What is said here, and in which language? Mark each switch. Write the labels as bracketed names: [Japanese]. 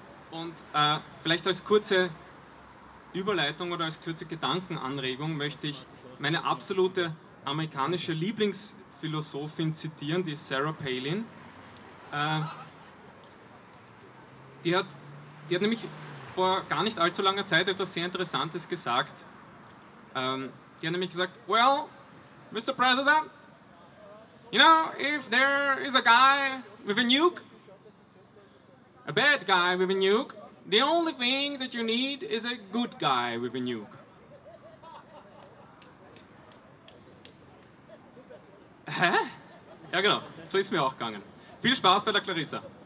[German] Und vielleicht als kurze Überleitung oder als kurze Gedankenanregung möchte ich meine absolute amerikanische Lieblingsphilosophin zitieren, die Sarah Palin. Die hat nämlich vor gar nicht allzu langer Zeit etwas sehr Interessantes gesagt. Die hat nämlich gesagt, [English] well, Mr. President, you know, if there is a guy with a nuke, a bad guy with a nuke, the only thing that you need is a good guy with a nuke. [German] Hä? Ja genau, so ist mir auch gegangen. Viel Spaß bei der Clarissa.